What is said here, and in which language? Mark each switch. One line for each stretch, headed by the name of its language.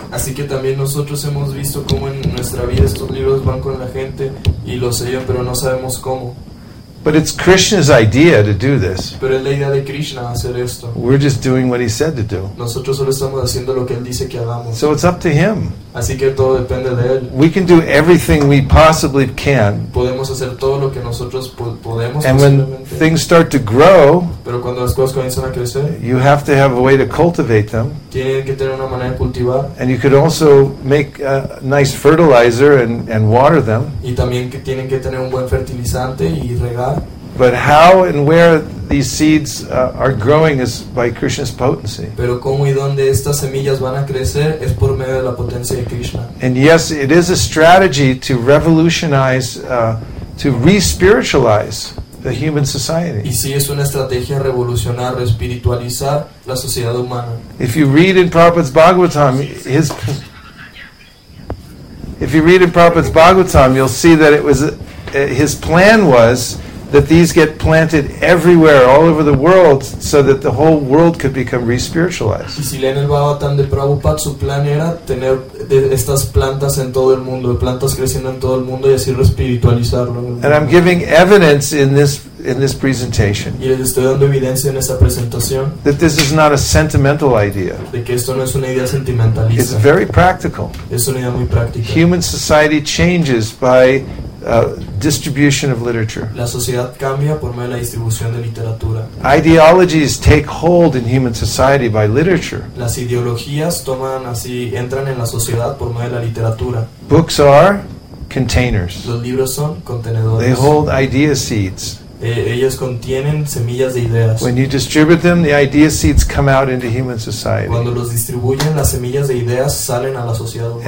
Spanish: Así que también nosotros hemos visto cómo en nuestra vida estos libros van con la gente y los sellan, pero no sabemos cómo.
English: But it's Krishna's idea to do this.
Spanish: Pero es la idea de Krishna hacer esto.
English: We're just doing what he said to do.
Spanish: Nosotros solo estamos haciendo lo que él dice que hagamos.
English: So it's up to him.
Spanish: Así que todo depende de él.
English: We can do everything we possibly can.
Spanish: Podemos hacer todo lo que nosotros podemos.
English: And when things start to grow,
Spanish: pero cuando las cosas comienzan a crecer,
English: you have to have a way to cultivate them.
Spanish: Tienen que tener una manera de cultivar.
English: And you could also make a nice fertilizer and water them.
Spanish: Y también que tienen que tener un buen fertilizante y regar.
English: But how and where these seeds are growing is by Krishna's potency.
Spanish: Pero cómo y dónde estas semillas van a crecer es por medio de la potencia de Krishna.
English: And yes, it is a strategy to revolutionize, to re-spiritualize the human society.
Spanish: Y sí, es una estrategia revolucionar, espiritualizar la sociedad humana.
English: If you read in Prabhupada's Bhagavatam, you'll see that it was his plan was that these get planted everywhere, all over the world, so that the whole world could become re-spiritualized.
Spanish: Y si leen el Bhagavatam de Prabhupada, su plan era tener estas plantas en todo el mundo, plantas creciendo en todo el mundo y así re-spiritualizarlo.
English: And I'm giving evidence in this presentation.
Spanish: Y les estoy dando evidencia en esta presentación.
English: That this is not a sentimental idea.
Spanish: De que esto no es una idea sentimentalista.
English: It's very practical.
Spanish: Es una idea muy práctica.
English: Human society changes by distribution of literature.
Spanish: La sociedad cambia por medio de la distribución de literatura.
English: Ideologies take hold in human society by literature.
Spanish: Las ideologías toman así, entran en la sociedad por medio de la literatura.
English: Books are containers.
Spanish: Los libros son contenedores.
English: They hold idea seeds.
Spanish: Ellos contienen semillas de ideas.
English: When you distribute them, the idea seeds come out into human society.
Spanish: Cuando los distribuyen, las semillas de ideas salen a la sociedad humana.